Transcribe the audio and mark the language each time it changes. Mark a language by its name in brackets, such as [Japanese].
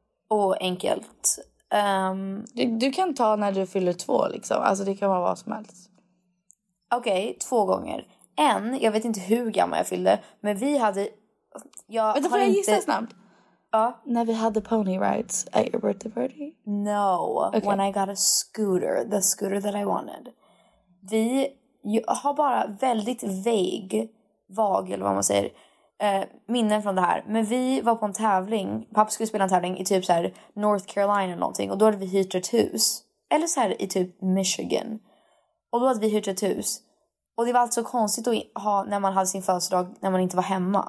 [Swedish] Åh, enkelt. Du kan ta när du fyller 2, liksom. Alltså, det kan vara vad som helst. Okej, 2 gånger. en, jag vet inte hur gammal jag fyllde, men vi hade... Vänta, får jag gissa inte... snabbt? Ja. [English] När vi hade pony rides at your birthday party? No, okay. When I got a scooter, the scooter that I wanted. [Swedish] Vi har bara väldigt vag, eller vad man säger, minnen från det här. Men vi var på en tävling, pappa skulle spela en tävling i typ så här North Carolina eller någonting. Och då hade vi hyrt ett hus. Eller så här i typ Michigan. Och då hade vi hyrt ett hus. Och det var alltså konstigt att ha när man hade sin födelsedag när man inte var hemma.